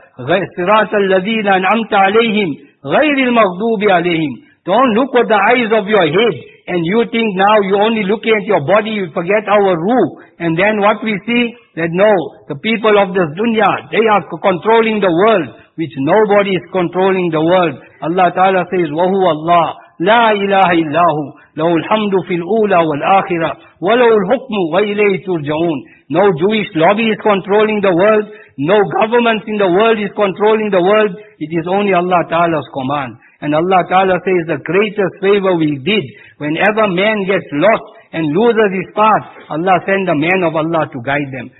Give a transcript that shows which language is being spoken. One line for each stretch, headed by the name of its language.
Arabic: Sirat al-Ladina an'amta alayhim. Ghairil maghdubi alayhim.
English: Don't look with the eyes of your head. And you think now you only looking at your body, you forget our ruh. And then what we see, that no, the people of this dunya, they are controlling the world, which nobody is controlling the world. Allah Ta'ala says,
Arabic: وَهُوَ اللَّهِ لَا إِلَهَ إِلَّهُ لَهُ الْحَمْدُ فِي الْأُولَى وَالْآخِرَةِ وَلَهُ الْحُكْمُ وَإِلَيْهِ تُرْجَعُونَ.
English: No Jewish lobby is controlling the world. No government in the world is controlling the world. It is only Allah Ta'ala's command. And Allah Ta'ala says, the greatest favor we did, whenever man gets lost and loses his path, Allah send the man of Allah to guide them.